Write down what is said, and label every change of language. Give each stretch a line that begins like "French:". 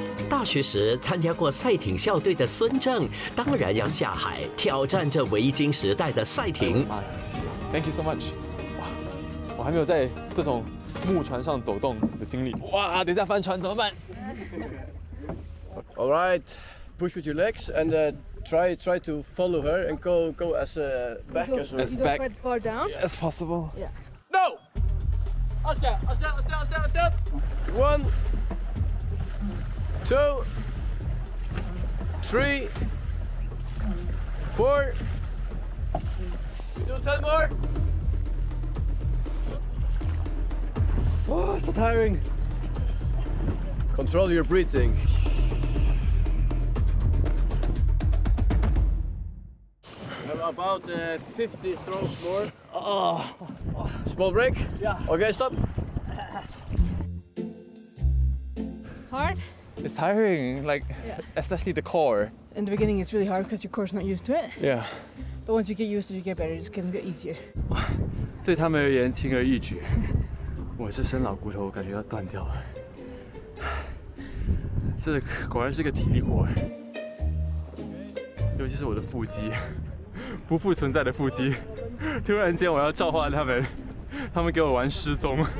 Chinese: 大学时参加过赛艇校队的孙政，当然要下海挑战这维京时代的赛艇。
English: Thank you so much。
Chinese: 哇，我还没有在这种木船上走动的经历。哇，等一下翻船怎么办？
English: All right, push with your legs and try to follow her and go as a back as well. Go quite far down. Yeah. As possible. Yeah. No! Oscar! One, two, three, four. Do 10 more. Oh, it's so tiring. Control your breathing. About 50 strokes more. Oh. Small break? Yeah. Okay, stop. Hard? It's tiring, like, yeah. Especially the core. In the beginning, it's really hard because your core's not used to it. Yeah. But once you get used to it, you get better. It's going to get easier.
Chinese: 对他们而言轻而易举，我这身老骨头感觉要断掉了。这果然是个体力活，尤其是我的腹肌。不复存在的腹肌，突然间我要召唤他们给我玩失踪。